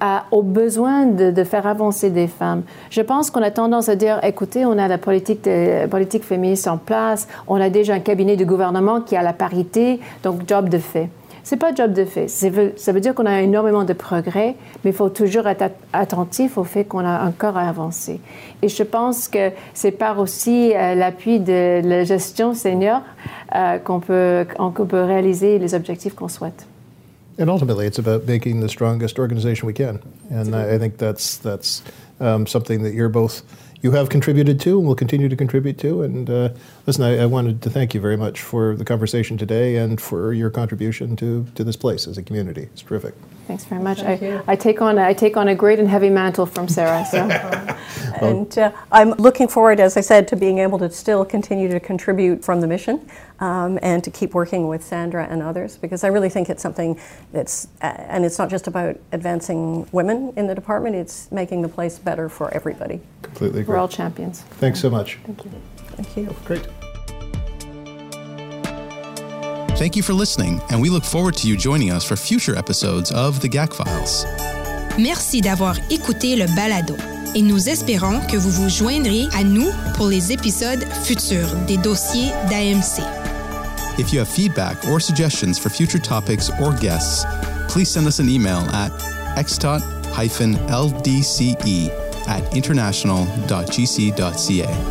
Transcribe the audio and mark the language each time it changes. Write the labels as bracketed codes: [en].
[fr] au besoin de faire avancer des femmes. Je pense qu'on a tendance à dire, écoutez, on a la politique féministe en place, on a déjà un cabinet du gouvernement qui a la parité, donc job de fait. Ce n'est pas job de fait. Ça veut dire qu'on a énormément de progrès, mais il faut toujours être attentif au fait qu'on a encore à avancer. Et je pense que c'est par aussi l'appui de la gestion senior qu'on peut réaliser les objectifs qu'on souhaite. [en] And ultimately, it's about making the strongest organization we can. And I think that's something that you have contributed to and will continue to contribute to. And listen, I wanted to thank you very much for the conversation today and for your contribution to this place as a community. It's terrific. Thanks very much. I take on a great and heavy mantle from Sarah. So. I'm looking forward, as I said, to being able to still continue to contribute from the mission and to keep working with Sandra and others, because I really think it's something that's, and it's not just about advancing women in the department, it's making the place better for everybody. Completely agree. We're all champions. Thanks so much. Thank you. Thank you. Great. Thank you for listening, and we look forward to you joining us for future episodes of The GAC Files. [fr] Merci d'avoir écouté le balado, et nous espérons que vous vous joindrez à nous pour les épisodes futurs des dossiers d'AMC. [en] If you have feedback or suggestions for future topics or guests, please send us an email at xtot-ldce@international.gc.ca.